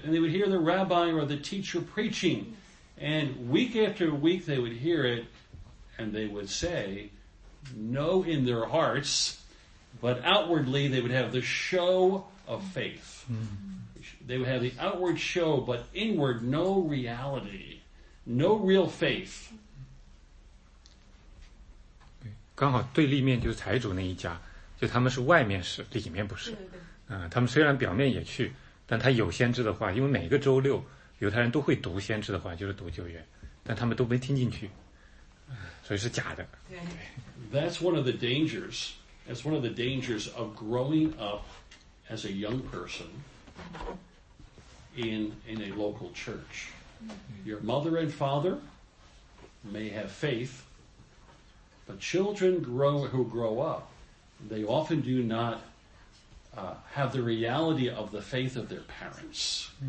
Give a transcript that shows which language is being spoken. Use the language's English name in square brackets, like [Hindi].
[English] And they would hear the rabbi or the teacher preaching. And week after week, they would hear it. And they would say, know in their hearts, but outwardly, they would have the show of faith. They would have the outward show, but inward, no reality. No real faith. [Chinese] 刚好对立面就是财主那一家，就他们是外面是，里面不是。他们虽然表面也去，但他有先知的话，因为每个周六犹太人都会读先知的话，就是读旧约，但他们都没听进去，所以是假的。 [English] That's one of the dangers. That's one of the dangers of growing up as a young person in a local church. Your mother and father may have faith. But children who grow up, they often do not have the reality of the faith of their parents.